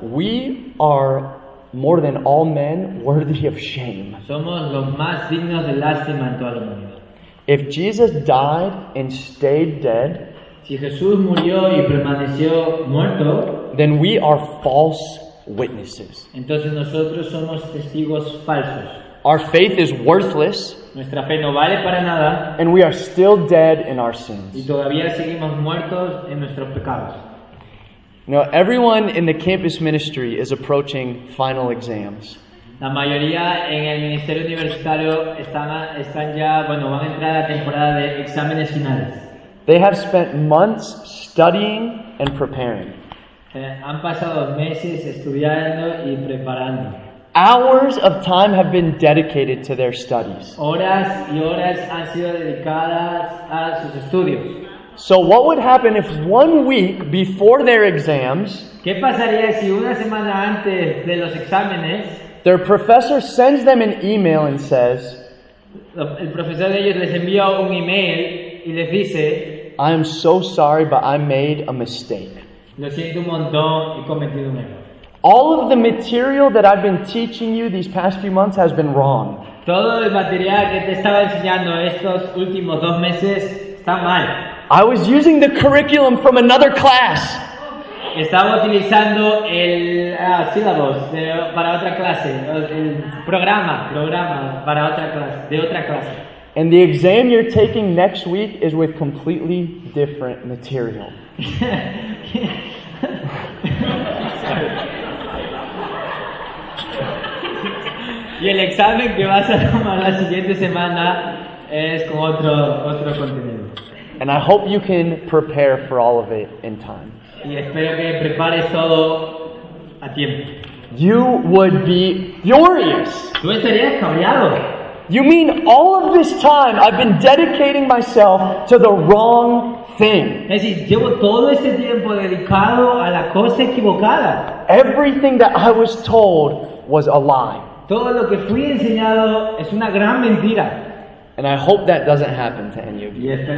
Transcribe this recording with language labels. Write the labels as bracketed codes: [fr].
[en] we are more than all men worthy of shame. [es] Somos los más dignos de lástima en todo el mundo. [en] If Jesus died and stayed dead, [es] si Jesús murió y permaneció muerto, [en] then we are false witnesses. [es] Entonces nosotros somos testigos falsos. [en] Our faith is worthless. [es] Nuestra fe no vale para nada. [en] And we are still dead in our sins. [es] Y todavía seguimos muertos en nuestros pecados. [en] Now, everyone in the campus ministry is approaching final exams. [es] La mayoría en el ministerio universitario están ya, van a entrar a la temporada de exámenes finales. [en] They have spent months studying and preparing. [es] Han pasado meses estudiando y preparando. [en] Hours of time have been dedicated to their studies. [es] Horas y horas han sido dedicadas a sus estudios. [en] So what would happen if 1 week before their exams, [es] ¿qué pasaría si una semana antes de los exámenes, [en] their professor sends them an email and says, [es] el profesor de ellos les envía un email y les dice, [en] I am so sorry, but I made a mistake. [es] Lo siento un montón, he cometido un error. [en] All of the material that I've been teaching you these past few months has been wrong. [es] Todo el material que te estaba enseñando estos últimos dos meses está mal. [en] I was using the curriculum from another class. [es] Estaba utilizando el syllabus para otra clase, el programa para otra clase, de otra clase. [en] And the exam you're taking next week is with completely different material. [es] Y el examen que vas a tomar la siguiente semana es con otro contenido. [en] And I hope you can prepare for all of it in time. [es] Y espero que prepares todo a tiempo. [en] You would be furious. [es] Tú estarías cabreado. [en] You mean all of this time I've been dedicating myself to the wrong thing. [es] Es decir, llevo todo este tiempo dedicado a la cosa equivocada. [en] Everything that I was told was a lie. [es] Todo lo que fui enseñado es una gran mentira. [en] And I hope that doesn't happen to any of you.